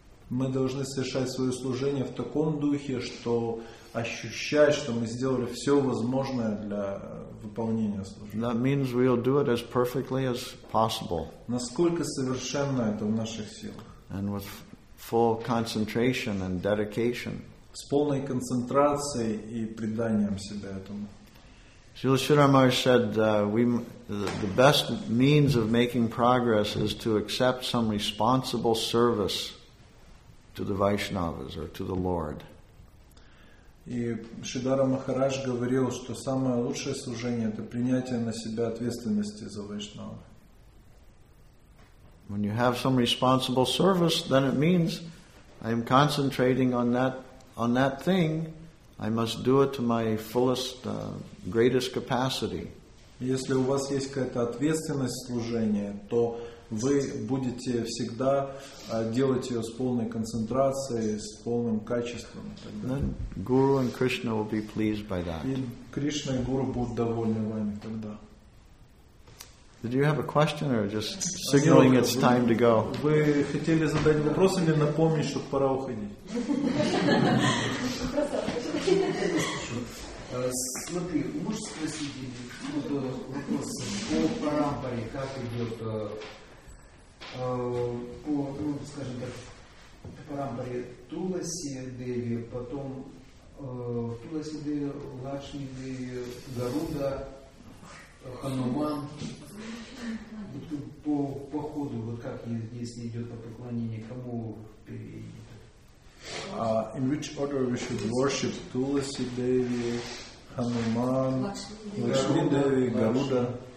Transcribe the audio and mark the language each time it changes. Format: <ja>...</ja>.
<ru>Мы должны совершать свое служение в таком духе, что ощущать, что мы сделали все возможное для выполнения служения.</ru> <en>That means we'll do it as perfectly as possible.</en> <ru>Насколько совершенно это в наших силах.</ru> <en>And with full concentration and dedication.</en> <ru>С полной концентрацией и преданием себя этому.</ru> <en>Srila Sridharmaya said, the best means of making progress is to accept some responsible service to the Vaishnavas or to the Lord.</en> <ru>И Шридхара Махарадж говорил, что самое лучшее служение это принятие на себя ответственности за Вайшнава.</ru> <en>When you have some responsible service, then it means I am concentrating on that thing, I must do it to my fullest, greatest capacity.</en> <ru>Если у вас есть какая-то ответственность служения, то вы будете всегда делать ее с полной концентрацией, с полным качеством.</ru> <en>Then Guru and Krishna will be pleased by that.</en> <ru>И Кришна и Гуру будут довольны вами тогда.</ru> <en>Did you have a question or just signaling it's time to go?</en> <ru>Вы хотели задать вопрос или напомнить, чтобы пора уходить? Смотри, можешь спросить вопрос по парампаре, как идет по, ну, скажем так, парампаре Туласи Деви, потом Туласи Деви, Лакшми Деви, Гаруда, Хануман. Вот по ходу, вот как, если идет по поклонению, кому впереди?</ru> <en>In which order we should worship Tulasi Devi, Hanuman, Lakshmi Devi, Garuda?</en>